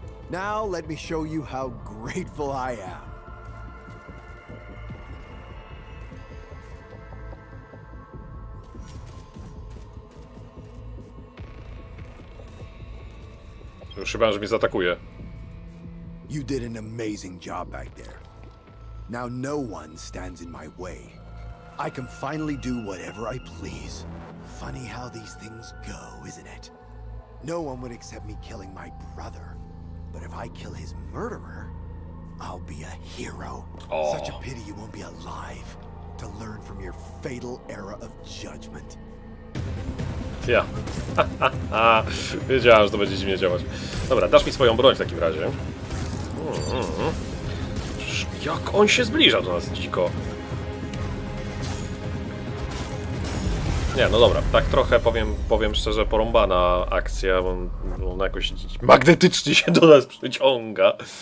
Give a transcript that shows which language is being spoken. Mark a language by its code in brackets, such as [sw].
[en] Now let me show you how grateful I am. [pl] Już chyba, że mnie zaatakuje. [en] You did an amazing job back there. Now no one stands in my way. I can finally do whatever I please. Funny how these things go, isn't it? No one would accept me killing my brother. But if I kill his murderer, I'll be a hero. Oh. Such a pity you won't be alive to learn from your fatal era of judgment. [pl] Ja. Wiedziałem, że to będzie dziwnie działać. Dobra, dasz mi swoją broń w takim razie. Jak on się zbliża do nas dziko. Nie, no dobra, tak trochę powiem szczerze, porąbana akcja, bo ona jakoś magnetycznie się do nas przyciąga.